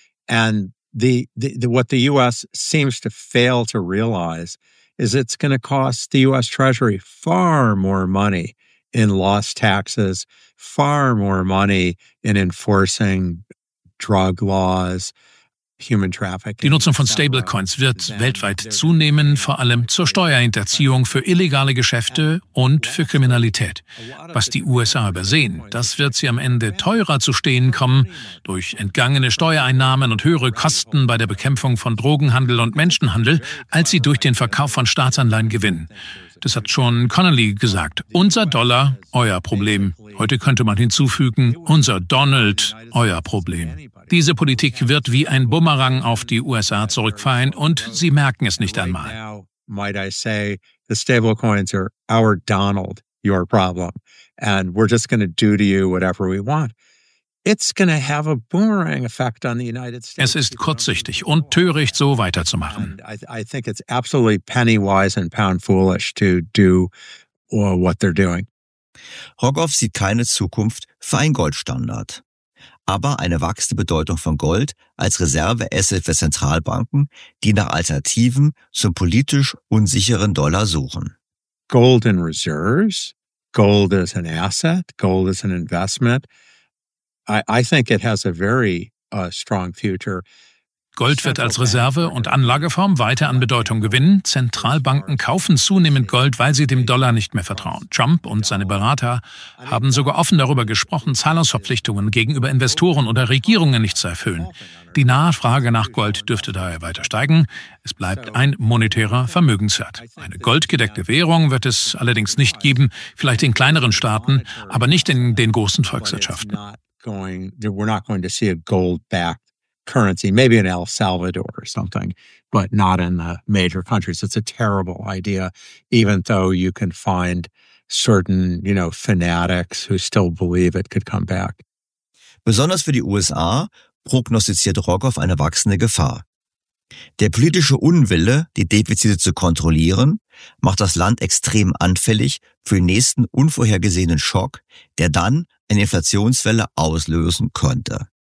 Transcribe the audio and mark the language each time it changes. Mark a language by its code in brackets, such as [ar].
[en] And the what the US seems to fail to realize is it's going to cost the US Treasury far more money in lost taxes, far more money in enforcing drug laws. [de] Die Nutzung von Stablecoins wird weltweit zunehmen, vor allem zur Steuerhinterziehung, für illegale Geschäfte und für Kriminalität. Was die USA übersehen, das wird sie am Ende teurer zu stehen kommen, durch entgangene Steuereinnahmen und höhere Kosten bei der Bekämpfung von Drogenhandel und Menschenhandel, als sie durch den Verkauf von Staatsanleihen gewinnen. Das hat schon Connolly gesagt. Unser Dollar, euer Problem. Heute könnte man hinzufügen, unser Donald, euer Problem. Diese Politik wird wie ein Bumerang auf die USA zurückfallen und sie merken es nicht einmal. [en] Might I say, the stablecoins are our Donald, your problem, and we're just going to do to you whatever we want. It's going to have a boomerang effect on the United States. [de] Es ist kurzsichtig und töricht, so weiterzumachen. [en] I think it's absolutely penny wise and pound foolish to do what they're doing. [de] Rogoff sieht keine Zukunft für einen Goldstandard. Aber eine wachsende Bedeutung von Gold als Reserveasset für Zentralbanken, die nach Alternativen zum politisch unsicheren Dollar suchen. [en] Gold in reserves, gold is an asset, gold is an investment. I think it has a very strong future. [de] Gold wird als Reserve und Anlageform weiter an Bedeutung gewinnen. Zentralbanken kaufen zunehmend Gold, weil sie dem Dollar nicht mehr vertrauen. Trump und seine Berater haben sogar offen darüber gesprochen, Zahlungsverpflichtungen gegenüber Investoren oder Regierungen nicht zu erfüllen. Die Nachfrage nach Gold dürfte daher weiter steigen. Es bleibt ein monetärer Vermögenswert. Eine goldgedeckte Währung wird es allerdings nicht geben, vielleicht in kleineren Staaten, aber nicht in den großen Volkswirtschaften. [en] We're not going to see a gold-backed currency, maybe in El Salvador or something, but not in the major countries. It's a terrible idea, even though you can find certain, you know, fanatics who still believe it could come back. [de] Besonders für die USA prognostiziert Rogoff eine wachsende Gefahr. Der politische Unwille, die Defizite zu kontrollieren, macht das Land extrem anfällig für den nächsten unvorhergesehenen Schock, der dann eine Inflationswelle auslösen könnte.